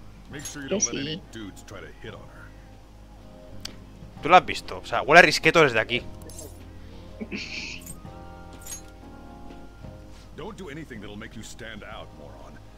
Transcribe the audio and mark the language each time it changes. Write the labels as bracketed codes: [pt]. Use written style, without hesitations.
[en] Make sure you don't let any dudes try to hit on her. [es] Tú lo has visto, o sea, huele a risqueto desde aquí. [en] Don't do anything that'll make you stand out, moron.